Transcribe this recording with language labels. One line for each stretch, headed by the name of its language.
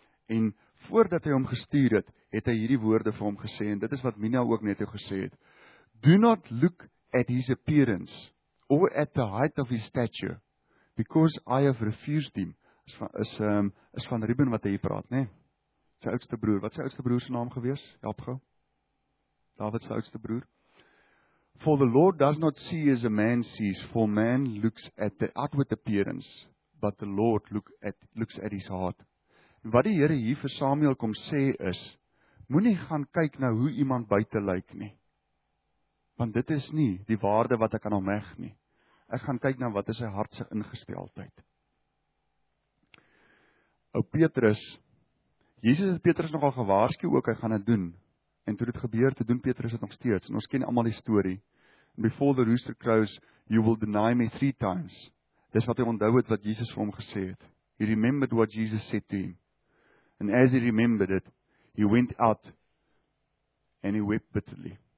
Afrikaans: En voordat hy hom gestuur het, het hy hierdie woorde vir hom gesê, en dit is wat Mina ook net jou gesê het,
English: do not look at his appearance or at the height of his stature, because I have refused him,
Afrikaans: is van Ruben wat hy hier praat, nê? Nee? Sy oudste broer, wat is sy oudste broer se naam gewees? Help gou. David se oudste broer.
English: For the Lord does not see as a man sees, for man looks at the outward appearance, but the Lord looks at his heart.
Afrikaans: Wat die Here hier vir Samuel kom sê is, moenie gaan kyk na hoe iemand buite lyk nie. Want dit is nie die waarde wat ek aan hom heg nie. Ek gaan kyk na wat is sy hart se ingesteldheid. Ou Petrus, Jesus het Petrus nogal gewaarsku ook, hy gaan dit doen. En toe dit gebeur, te doen Petrus het nog steeds. En ons ken almal die story.
English: Before the rooster crows, you will deny me 3 times.
Afrikaans: Dis wat hy onthou het wat Jesus vir hom gesê het.
English: He remembered what Jesus said to him. And as he remembered it, he went out and he wept bitterly.